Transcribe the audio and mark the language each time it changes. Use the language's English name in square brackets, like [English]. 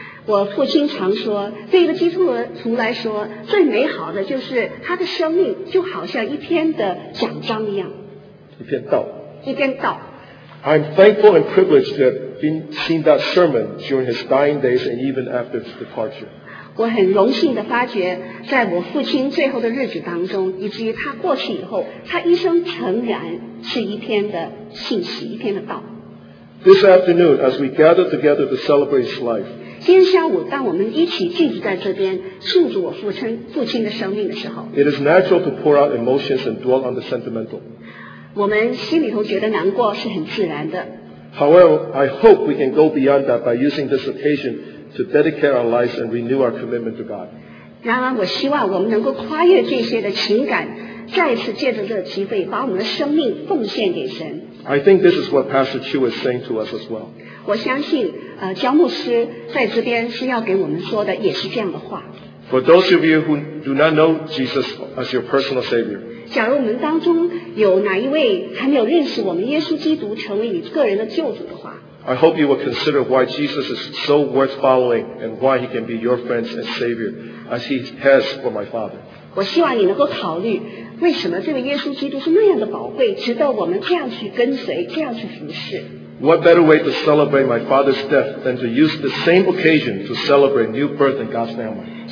[Chinese] 我父亲常说，对一个基督徒来说，最美好的就是他的生命就好像一篇的奖章一样，一篇道，一篇道。 [English] I'm thankful and privileged to have been seen that sermon during his dying days and even after his departure. [Chinese] 我很荣幸地发觉，在我父亲最后的日子当中，以至于他过去以后，他一生诚然是一篇的信息，一篇的道。 [English] This afternoon, as we gather together to celebrate his life, [Chinese] 今天下午，当我们一起聚集在这边庆祝我父亲的生命的时候， [English] it is natural to pour out emotions and dwell on the sentimental. [Chinese] 我们心里头觉得难过是很自然的。 [English] However, I hope we can go beyond that by using this occasion to dedicate our lives and renew our commitment to God. [Chinese] 然而，我希望我们能够跨越这些的情感，再次借着这个机会把我们的生命奉献给神。 [English] I think this is what Pastor Chu is saying to us as well. [Chinese] 我相信，焦牧师在这边是要给我们说的也是这样的话。 [English] For those of you who do not know Jesus as your personal Savior, [Chinese] 假如我们当中有哪一位还没有认识我们耶稣基督成为你个人的救主的话， [English] I hope you will consider why Jesus is so worth following and why he can be your friend and Savior as he has for my Father. [Chinese] 我希望你能够考虑为什么这位耶稣基督是那样的宝贵，值得我们这样去跟随，这样去服侍。 [English] What better way to celebrate my father's death than to use the same occasion to celebrate new birth in God's family?